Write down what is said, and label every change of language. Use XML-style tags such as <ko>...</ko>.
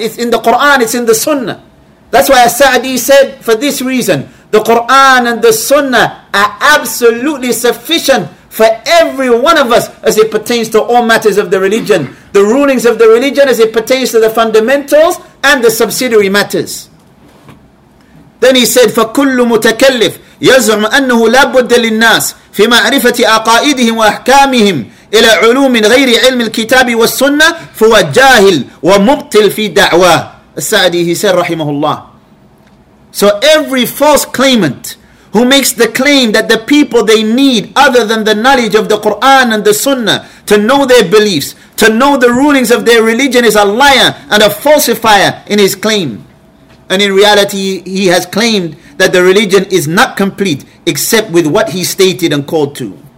<en>It's in the Quran, it's in the Sunnah. That's why As-Sa'di said, for this reason, the Quran and the Sunnah are absolutely sufficient for every one of us as it pertains to all matters of the religion. the rulings of the religion as it pertains to the fundamentals and the subsidiary matters. Then he said,</en> <ar>فَكُلُّ مُتَكَلِّفٍ يَزْعُمْ أَنَّهُ لَا بُدَّ لِلنَّاسِ فِي مَعْرِفَةِ أَقَائِدِهِمْ وَأَحْكَامِهِمْ إِلَى عُلُومٍ غَيْرِ عِلْمِ الْكِتَابِ وَالسُّنَّةِ فُوَ جَاهِلٌ وَمُبْطِلٌ فِي دَعْوَاهِ السَّعْدِي,</ar> <en>he said,</en> <ar>rahimahullah.</ar> <en>So every false claimant who makes the claim that the people they need other than the knowledge of the Quran and the Sunnah to know their beliefs, to know the rulings of their religion, is a liar and a falsifier in his claim. And in reality, he has claimed that the religion is not complete except with what he stated and called to.</en>